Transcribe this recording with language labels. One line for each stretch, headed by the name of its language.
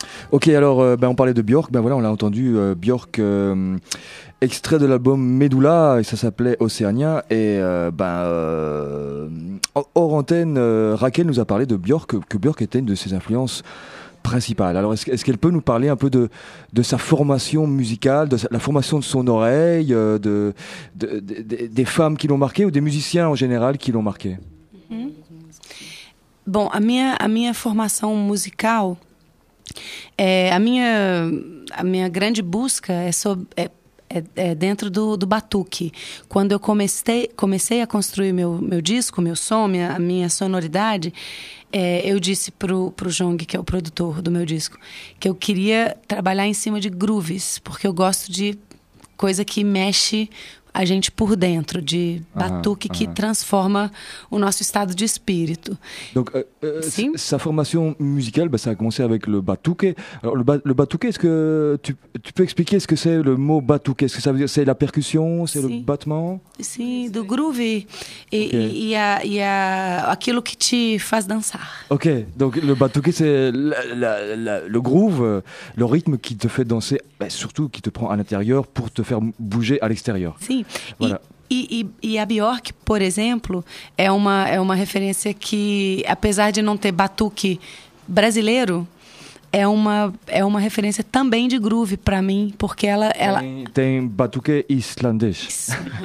French: Ok, alors on parlait de Björk, ben voilà, on l'a entendu, Björk, extrait de l'album Medulla, et ça s'appelait Oceania, et hors antenne, Raquel nous a parlé de Björk, que Björk était une de ses influences principale. Alors, est-ce qu'elle peut nous parler un peu de sa formation musicale, de la formation de son oreille, des femmes qui l'ont marquée ou des musiciens en général qui l'ont marquée? Mm-hmm.
Portuguese: Bon, a minha formação musical, a minha grande busca é sobre... dentro do batuque. Quando eu comecei a construir meu disco, meu som, a minha sonoridade, eu disse pro Jong, que é o produtor do meu disco, que eu queria trabalhar em cima de grooves, porque eu gosto de coisa que mexe a gente por dentro, de batuque que transforma o nosso estado de espírito.
French: Donc,
Portuguese: sim?
French: Sa formation musicale, ça a commencé avec le batuque. Alors, le batuque, est-ce que tu peux expliquer ce que c'est le mot batuque? Est-ce que ça veut dire c'est la percussion, c'est sim. Le battement?
Portuguese: Sim, do groove. E aquilo que te faz dançar.
French: Ok, donc le batuque, c'est le groove, le rythme qui te fait danser, mais surtout qui te prend à l'intérieur pour te faire bouger à l'extérieur.
Portuguese: Sim.
French: Voilà.
Portuguese: E a Björk, por exemplo, é uma referência que, apesar de não ter batuque brasileiro, é uma referência também de groove para mim, porque ela tem batuque islandês.